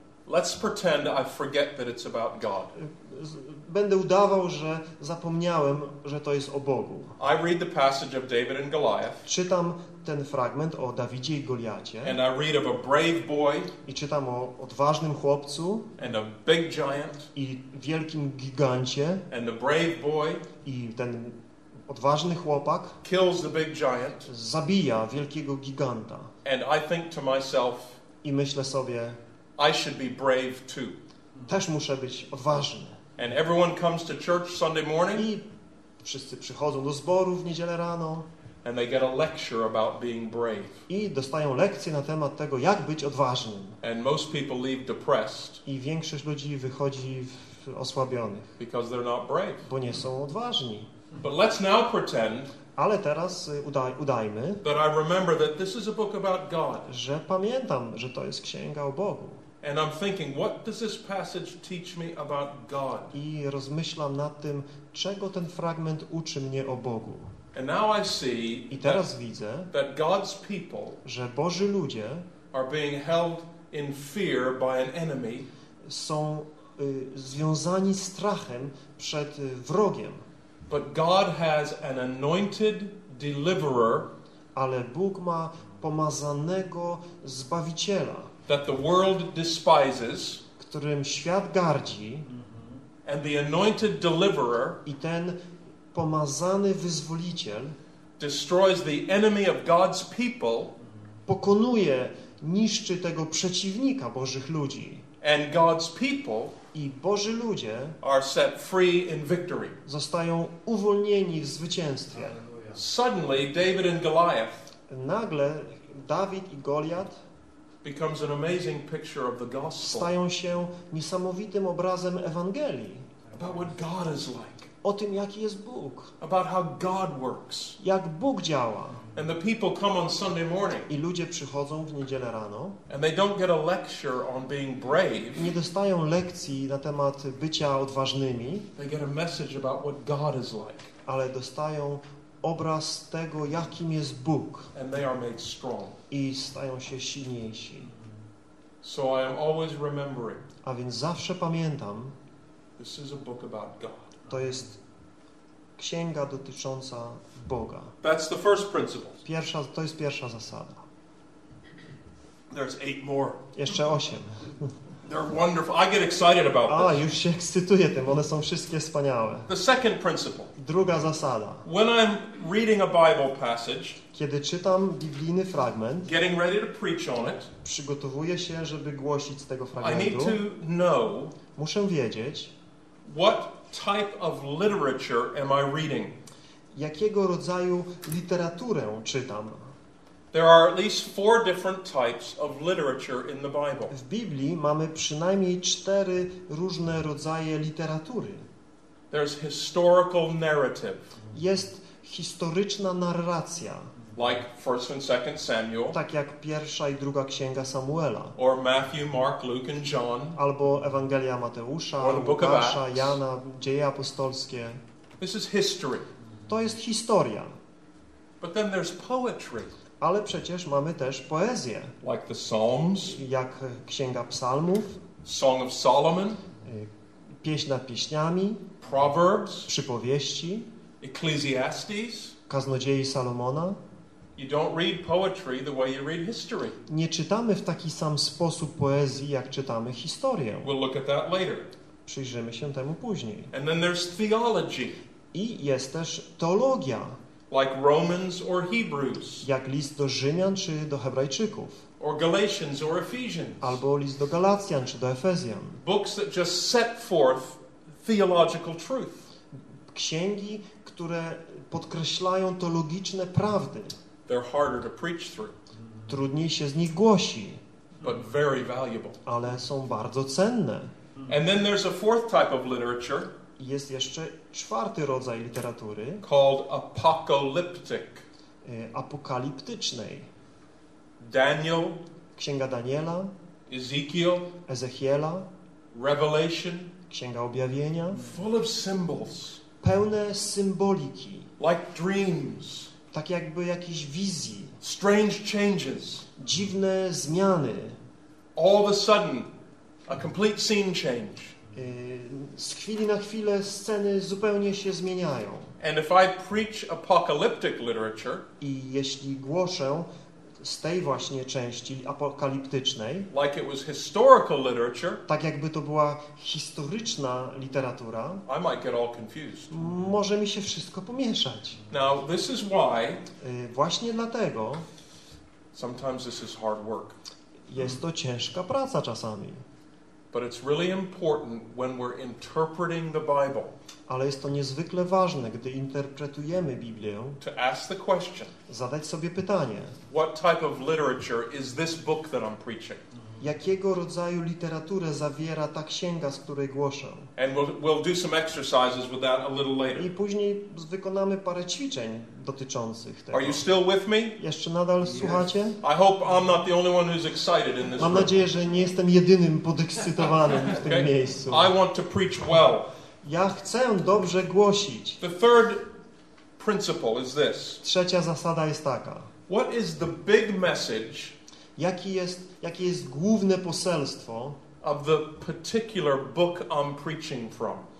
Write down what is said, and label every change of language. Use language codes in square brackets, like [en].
[en] Let's pretend I forget that it's about God. [pl] Będę udawał, że zapomniałem, że to jest o Bogu. [en] I read the passage of David and Goliath. [pl] Czytam ten fragment o Dawidzie i Goliacie. [en] And I read of a brave boy. [pl] I czytam o odważnym chłopcu. [en] And a big giant. [pl] I wielkim gigancie. [en] And the brave boy. [pl] I ten odważny chłopak. [en] Kills the big giant. [pl] Zabija wielkiego giganta. [en] And I think to myself. [pl] I myślę sobie. [en] I should be brave too. [pl] Też muszę być odważny. [en] And everyone comes to church Sunday morning. [pl] I wszyscy przychodzą do zboru w niedzielę rano. [en] And they get a lecture about being brave. [pl] I dostają lekcję na temat tego, jak być odważnym. [en] And most people leave depressed. [pl] I większość ludzi wychodzi osłabionych. [en] Because they're not brave. [pl] Bo nie są odważni. [en] But let's now pretend. [pl] Ale teraz udajmy. [en] But I remember that this is a book about God. [pl] Że pamiętam, że to jest księga o Bogu. [en] And I'm thinking, what does this passage teach me about God? [pl] I rozmyślam nad tym, czego ten fragment uczy mnie o Bogu. [en] And now I see, [pl] i teraz widzę, [en] that God's people, [pl] że Boży ludzie, [en] are being held in fear by an enemy, [pl] są związani strachem przed wrogiem. [en] But God has an anointed deliverer, [pl] ale Bóg ma pomazanego zbawiciela, [en] that the world despises, [pl] którym świat gardzi, [en] and the anointed deliverer, [pl] i ten pomazany wyzwoliciel, [en] destroys the enemy of God's people, [pl] pokonuje, niszczy tego przeciwnika Bożych ludzi, [en] and God's people, [pl] i Boży ludzie, [en] are set free in victory, [pl] zostają uwolnieni w zwycięstwie. [en] Suddenly David and Goliath, [pl] nagle Dawid i Goliat, [en] becomes an amazing picture of the gospel, [pl] stają się niesamowitym obrazem Ewangelii, [en] about what God is like, [pl] o tym, jaki jest Bóg. [en] About how God works. [pl] Jak Bóg działa. [en] And the people come on Sunday morning. [pl] I ludzie przychodzą w niedzielę rano. [en] And they don't get a lecture on being brave. [pl] Nie dostają lekcji na temat bycia odważnymi. [en] They get a message about what God is like. [pl] Ale dostają obraz tego, jakim jest Bóg. [en] And they are made strong. [pl] I stają się silniejsi. [en] So I am always remembering. [pl] A więc zawsze pamiętam. [en] This is a book about God. [pl] To jest księga dotycząca Boga. [en] That's the first principle. [pl] Pierwsza, to jest pierwsza zasada. [en] There's eight more. [pl] Jeszcze osiem. [en] They're wonderful. I get excited about this. [pl] A, już się ekscytuję tym, bo one są wszystkie wspaniałe. [en] The second principle. [pl] Druga zasada. [en] When I'm reading a Bible passage, [pl] kiedy czytam biblijny fragment, [en] getting ready to preach on it, [pl] przygotowuję się, żeby głosić z tego fragmentu, [en] I need to know, [pl] muszę wiedzieć, [en] what type of literature am I reading? [pl] Jakiego rodzaju literaturę czytam? [en] There are at least four different types of literature in the Bible. [pl] W Biblii mamy przynajmniej cztery różne rodzaje literatury. [en] There's historical narrative. [pl] Jest historyczna narracja. [en] Like First and Second Samuel. [pl] Tak jak pierwsza i druga księga Samuela. [en] Or Matthew, Mark, Luke and John. [pl] Albo Ewangelia Mateusza, Łukasza, Jana, Dzieje Apostolskie. [en] This is history. [pl] To jest historia. [en] But then there's poetry. [pl] Ale przecież mamy też poezję. [en] Like the Psalms. [pl] Jak księga Psalmów. [en] Song of Solomon. [pl] Pieśń nad pieśniami. [en] Proverbs. [pl] Przypowieści. [en] Ecclesiastes. [pl] Kaznodziei Salomona. [en] You don't read poetry the way you read history. [pl] Nie czytamy w taki sam sposób poezji, jak czytamy historię. [en] We'll look at that later. [pl] Przyjrzymy się temu później. [en] And then there's theology. [pl] I jest też teologia. [en] Like Romans or Hebrews. [pl] Jak list do Rzymian czy do Hebrajczyków. [en] Or Galatians or Ephesians. [pl] Albo list do Galacjan czy do Efezjan. [en] Books that just set forth theological truth. [pl] Księgi, które podkreślają teologiczne prawdy. [en] They're harder to preach through. [pl] Trudniej się z nich głosi. [en] But very valuable. [pl] Ale są bardzo cenne. [en] And then there's a fourth type of literature. [pl] Jest jeszcze czwarty rodzaj literatury. [en] Called apocalyptic. [pl] Apokaliptycznej. [en] Daniel. [pl] Księga Daniela. [en] Ezekiel. [pl] Ezechiela. [en] Revelation. [pl] Księga Objawienia. [en] Full of symbols. [pl] Pełne symboliki. [en] Like dreams. [pl] Tak jakby jakieś wizji. [en] Strange changes. [pl] Dziwne zmiany. [en] All of a sudden, a complete scene change. [pl] Z chwili na chwilę sceny zupełnie się zmieniają. [en] And if I preach apocalyptic literature, [pl] i jeśli głoszę z tej właśnie części apokaliptycznej, [en] like it was historical literature, [pl] tak jakby to była historyczna literatura, [en] I might get all confused. [pl] Może mi się wszystko pomieszać. [en] Now, this is why, [pl] właśnie dlatego [en] sometimes this is hard work. [pl] Jest to ciężka praca czasami. [en] But it's really important when we're interpreting the Bible. [pl] Ale jest to niezwykle ważne, gdy interpretujemy Biblię. [en] To ask the question. [pl] Zadać sobie pytanie. [en] What type of literature is this book that I'm preaching? [pl] Jakiego rodzaju literaturę zawiera ta księga, z której głoszę? [en] And we'll do some exercises with that a little later. [pl] I później wykonamy parę ćwiczeń dotyczących tego. [en] Are you still with me? [pl] Jeszcze nadal słuchacie? [en] I hope I'm not the only one who's excited in this. [pl] Mam nadzieję, że nie jestem jedynym podekscytowanym w tym miejscu. [en] I want to preach well. [pl] Ja chcę dobrze głosić. [en] The third principle is this. [pl] Trzecia zasada jest taka. [en] What is the big message? [pl] Jakie jest główne poselstwo [en] of the particular book I'm preaching from?